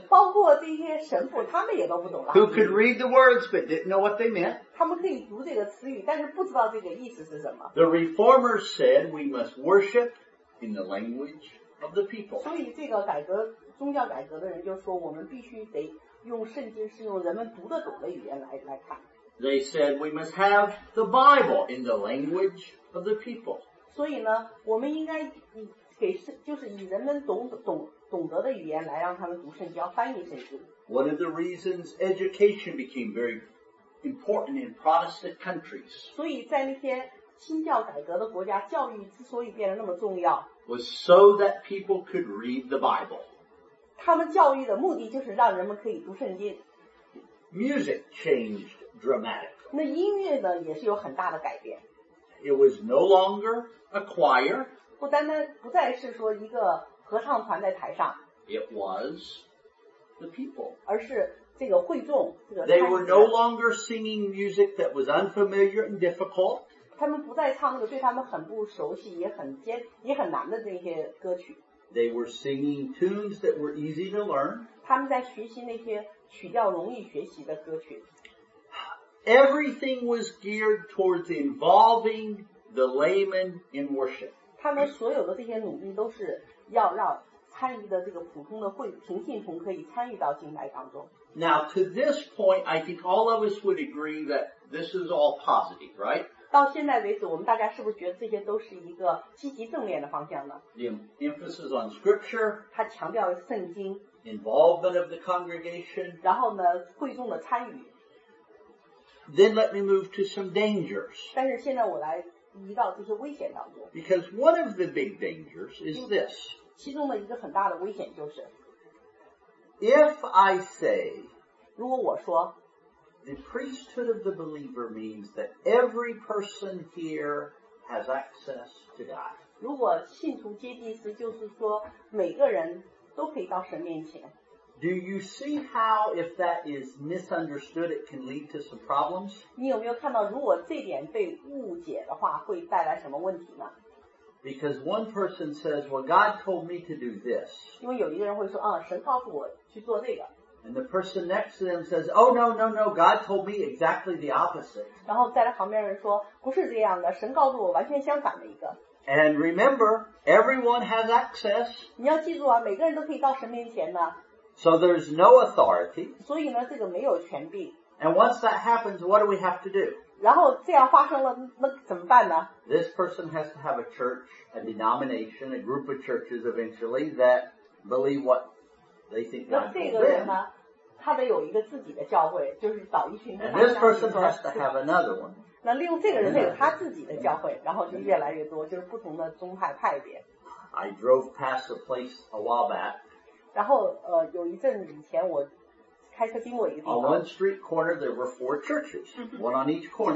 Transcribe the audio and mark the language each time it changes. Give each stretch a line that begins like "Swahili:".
Chinese: 包括这些神父，他们也都不懂拉丁语。
English: Who could read the words but didn't know what they meant.
Chinese: 他们可以读这个词语，但是不知道这个意思是什么。
English: The reformers said we must worship in the language of the people.
Chinese: 所以这个改革，宗教改革的人就说，我们必须得用圣经是用人们读得懂的语言来看。
English: They said we must have the Bible in the language of the people.
Chinese: 所以呢，我们应该给就是以人们懂得的语言来让他们读圣经，要翻译圣经。
English: One of the reasons education became very important in Protestant countries.
Chinese: 所以在那些新教改革的国家，教育之所以变得那么重要
English: ，was so that people could read the Bible.
Chinese: 他们教育的目的就是让人们可以读圣经。
English: Music changed dramatically.
Chinese: 那音乐呢也是有很大的改变。
English: It was no longer a choir.
Chinese: 不再是说一个合唱团在台上。
English: It was the people.
Chinese: 而是这个会众。
English: They were no longer singing music that was unfamiliar and difficult.
Chinese: 他们不再唱那个对他们很不熟悉也很难的那些歌曲。
English: They were singing tunes that were easy to learn.
Chinese: 他们在学习那些曲调容易学习的歌曲。
English: Everything was geared towards involving the layman in worship.
Chinese: 他们所有的这些努力都是要让参与的这个普通的会平信徒可以参与到敬拜当中。
English: Now to this point, I think all of us would agree that this is all positive, right?
Chinese: 到现在为止，我们大家是不是觉得这些都是一个积极正面的方向呢？
English: The emphasis on scripture.
Chinese: 他强调圣经。
English: Involvement of the congregation.
Chinese: 然后呢，会众的参与。
English: Then let me move to some dangers.
Chinese: 但是现在我来移到这些危险当中。
English: Because one of the big dangers is this.
Chinese: 其中的一个很大的危险就是。
English: If I say.
Chinese: 如果我说。
English: The priesthood of the believer means that every person here has access to God.
Chinese: 如果信徒接祭司就是说每个人都可以到神面前。
English: Do you see how if that is misunderstood, it can lead to some problems?
Chinese: 你有没有看到如果这点被误解的话会带来什么问题呢?
English: Because one person says, well, God told me to do this.
Chinese: 因为有一个人会说、啊、神告诉我去做这个。
English: And the person next to them says, oh, no, God told me exactly the opposite.
Chinese: 然后在他旁边人说不是这样的神告诉我完全相反的一个。
English: And remember, everyone has access.
Chinese: 你要记住啊，每个人都可以到神面前呢。
English: So there's no authority.
Chinese: 所以呢，这个没有权柄。
English: And once that happens, what do we have to do?
Chinese: 然后这样发生了，那怎么办呢？
English: This person has to have a church, a denomination, a group of churches eventually that believe what they think God believes.
Chinese: 那这个人呢，他得有一个自己的教会，就是找一群。
English: And this person has to have another one.
Chinese: 那利用这个人他有他自己的教会然后就越来越多就是不同的宗派派别
English: I drove past a place a while back
Chinese: 然后有一阵以前我开车经过一个地方
English: On one street corner there were four churches One on each corner